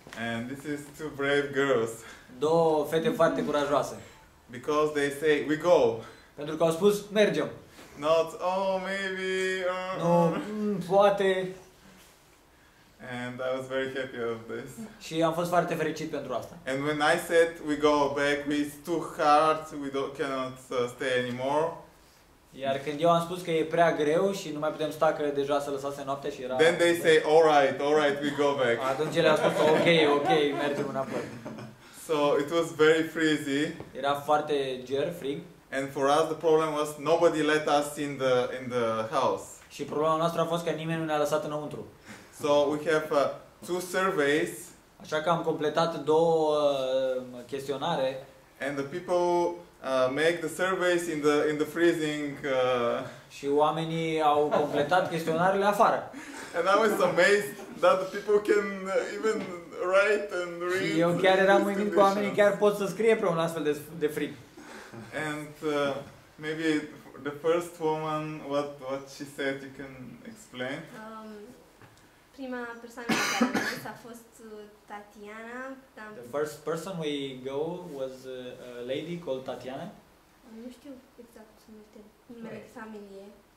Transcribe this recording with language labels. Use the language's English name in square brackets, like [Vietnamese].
[English] And this is two brave girls. [Romanian] Două fete foarte curajoase. [English] Because they say we go. [Romanian] Pentru că au spus mergem. [English] Not oh maybe. [Romanian] Nu, poate. [English] And I was very happy of this. [Romanian] Și am fost foarte fericit pentru asta. [English] And when I said we go back, it's too hard, we don't, cannot stay anymore. [Romanian] Iar când eu am spus că e prea greu și nu mai putem sta, că deja se lăsase noaptea și era... [English] Then they say, alright, alright, we go back. [Romanian] Atunci ele au spus, ok, ok, mergem înapoi. [English] So, it was very freezy. [Romanian] Era foarte ger, frig. [English] And for us, the problem was, nobody let us in the house. [Romanian] Și problema noastră a fost că nimeni nu ne-a lăsat înăuntru. [English] So, we have two surveys. [Romanian] Așa că am completat două chestionare. [English] And the people... make the surveys in the freezing. [Romanian] Și oamenii au completat chestionarele afară. [English] And I was amazed that the people can even write and read. [Romanian] Și eu chiar eram uimit că oamenii chiar pot să scrie pe un astfel de frig. [English] And maybe the first woman, what she said, you can explain. [Romanian] Prima persoană care a venit a fost Tatiana. [English] The first person we go was a lady called Tatiana. [Romanian] Nu știu exact cum este numele familiei.